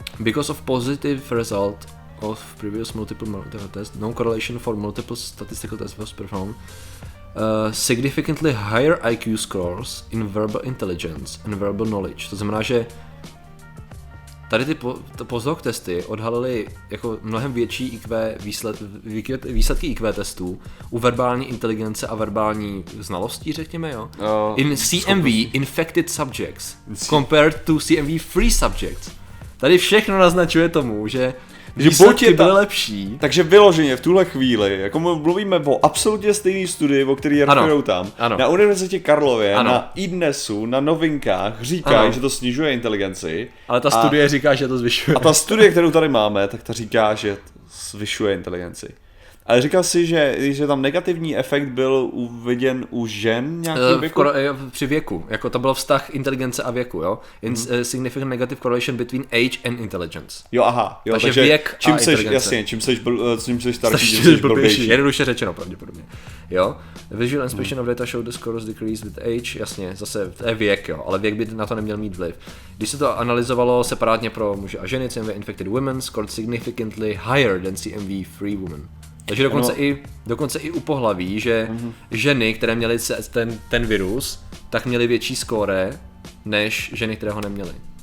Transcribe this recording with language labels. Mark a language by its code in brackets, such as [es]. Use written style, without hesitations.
[en] Because of positive result of previous multiple test, no correlation for multiple statistical tests was performed. Significantly higher IQ scores in verbal intelligence and verbal knowledge. [cs] To znamená, že tady ty postdoc testy odhalily jako mnohem větší IQ výsledky IQ testů u verbální inteligence a verbální znalostí, řekněme, jo? [en] In CMV infected subjects compared to CMV free subjects. [cs] Tady všechno naznačuje tomu, že výsledky byly lepší. Takže vyloženě v tuhle chvíli, jako mluvíme o absolutně stejný studii, o který referujou tam, ano. Na Univerzitě Karlově, ano. Na iDNESu, na novinkách říkají, že to snižuje inteligenci. Ale ta studie říká, že to zvyšuje. A ta studie, kterou tady máme, tak ta říká, že zvyšuje inteligenci. Ale říkal jsi, že tam negativní efekt byl uviděn u žen nějakého věku? Při věku. Jako to byl vztah inteligence a věku, jo? [en] Significant negative correlation between age and intelligence. [cs] Jo, aha. Jo, takže věk čím a inteligence. Jasně, čím seš starší, tím seš blbější. Jednoduše řečeno, pravděpodobně. Jo? [en] Visual inspection of data showed the scores decrease with age. [cs] Jasně, zase to je věk, jo? Ale věk by na to neměl mít vliv. Když se to analyzovalo separátně pro muže a ženy, [en] CMV infected women scored significantly higher than CMV free women. [cs] Takže dokonce i u pohlaví, že ženy, které měly ten virus, tak měly větší skóre než ženy, které ho neměly.